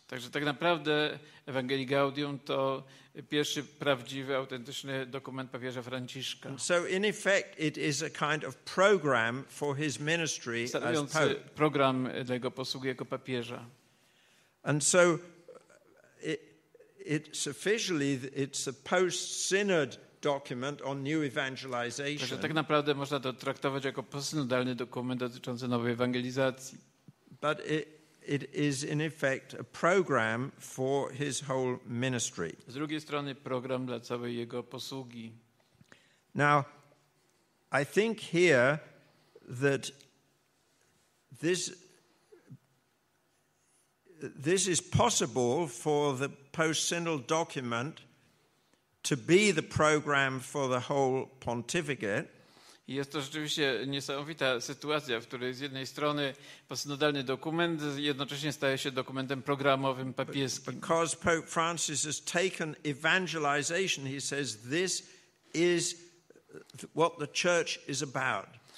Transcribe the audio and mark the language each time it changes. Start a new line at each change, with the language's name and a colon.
Polish: Także tak naprawdę Evangelii Gaudium to pierwszy prawdziwy, autentyczny dokument papieża Franciszka.
English: So in effect it is a kind of program for his ministry as Pope.
Polish: Stanowiący program dla jego posługi jako papieża.
English: And so it's officially it's a post-synod document on new evangelization.
Polish: Tak naprawdę można to traktować jako posynodalny dokument dotyczący nowej ewangelizacji.
English: But it is in effect a program for his whole ministry.
Polish: Z drugiej strony program dla całej jego posługi.
English: Now, I think here that this is possible for the post-synodal document to be the program for the whole pontificate.
Polish: Jest to rzeczywiście niesamowita sytuacja, w której z jednej strony posynodalny dokument jednocześnie staje się dokumentem programowym papieskim.
English: Because Pope Francis has taken evangelization, he says, this is what the church is about.